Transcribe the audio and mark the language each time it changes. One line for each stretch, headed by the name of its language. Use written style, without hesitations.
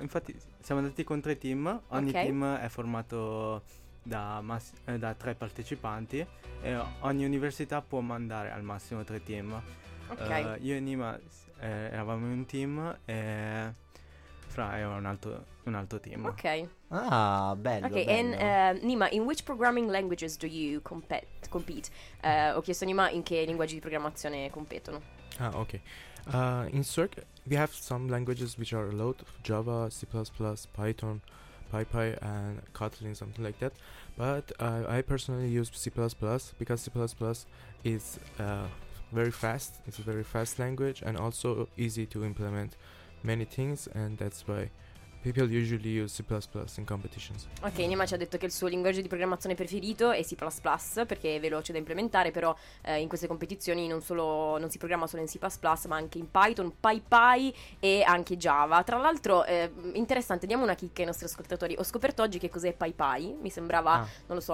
Italian: Infatti siamo andati con tre team. Ogni okay team è formato da tre partecipanti e ogni università può mandare al massimo tre team. Okay. Io e Nima eravamo in un team e Fra è un altro team. Ok. Ah, bello. Okay, bello.
English: And Nima, in which programming languages do you compete?
Italian: Ho chiesto a Nima in che linguaggi di programmazione competono. Ah, ok.
English: In Swerk we have some languages which are allowed: Java, C++, Python, PyPy and Kotlin, something like that. But I personally use C++ because C++ is very fast. It's a very fast language and also easy to implement many things, and that's why people usually use C++ in competitions.
Italian: Ok, Nima ci ha detto che il suo linguaggio di programmazione preferito è C++, perché è veloce da implementare, però in queste competizioni non si programma solo in C++, ma anche in Python, PyPy e anche Java. Tra l'altro, interessante, diamo una chicca ai nostri ascoltatori. Ho scoperto oggi che cos'è PyPy, mi sembrava, non lo so,